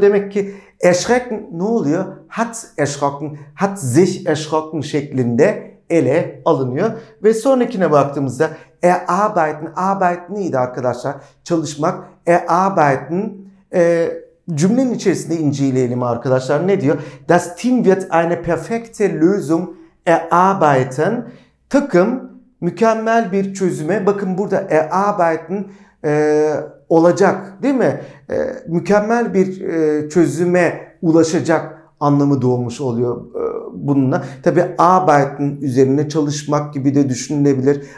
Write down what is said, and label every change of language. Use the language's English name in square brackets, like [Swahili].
[Turkish] Demek ki erschrecken ne oluyor? [German] Hat erschrocken, hat sich erschrocken [Turkish] şeklinde ele alınıyor. Ve sonrakine baktığımızda erarbeiten, arbeit neydi arkadaşlar? Çalışmak. Erarbeiten cümlenin içerisinde inceleyelim arkadaşlar. Ne diyor? [German] Das Team wird eine perfekte Lösung erarbeiten. [Turkish] Takım mükemmel bir çözüme. Bakın burada erarbeiten olacak, değil mi? Mükemmel bir çözüme ulaşacak anlamı doğmuş oluyor bununla. Tabi arbeiten üzerine çalışmak gibi de düşünülebilir.